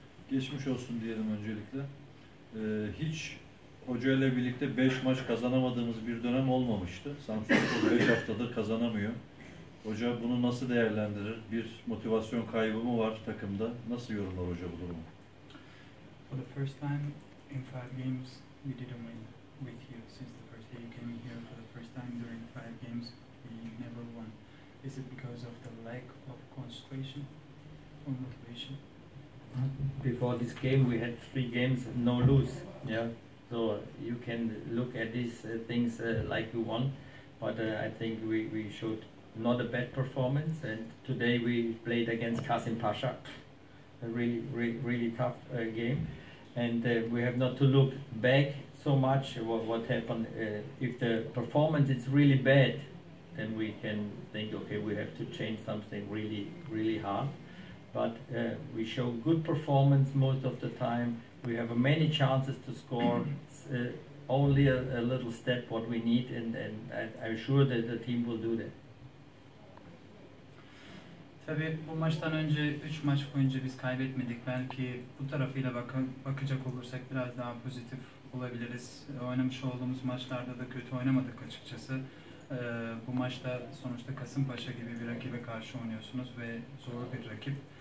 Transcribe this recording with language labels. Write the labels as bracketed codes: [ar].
[tr] Geçmiş olsun diyelim öncelikle. Hiç Hoca ile birlikte 5 maç kazanamadığımız bir dönem olmamıştı. Samsunspor 5 haftadır kazanamıyor. Hoca bunu nasıl değerlendirir? Bir motivasyon kaybı mı var takımda? Nasıl yorumlar hoca bu durumu? [en] For the first time in 5 games we didn't win with you since the first day you came here. For the first time during 5 games we never won. Is it because of the lack of concentration or motivation? Before this game we had 3 games no lose. Yeah. So you can look at these things like you want, but I think we showed not a bad performance, and today we played against Kasim Pasha, a really tough game, and we have not to look back so much what happened. If the performance is really bad, then we can think, okay, we have to change something really hard, but we show good performance most of the time. We have many chances to score. Only a little step what we need, and I'm sure that the team will do that. [tr] Tabii bu maçtan önce 3 maç boyunca biz kaybetmedik. Belki bu tarafıyla bakacak olursak biraz daha pozitif olabiliriz. Oynamış olduğumuz maçlarda da kötü oynamadık açıkçası. Bu maçta sonuçta Kasımpaşa gibi bir rakibe karşı oynuyorsunuz ve zor bir rakip.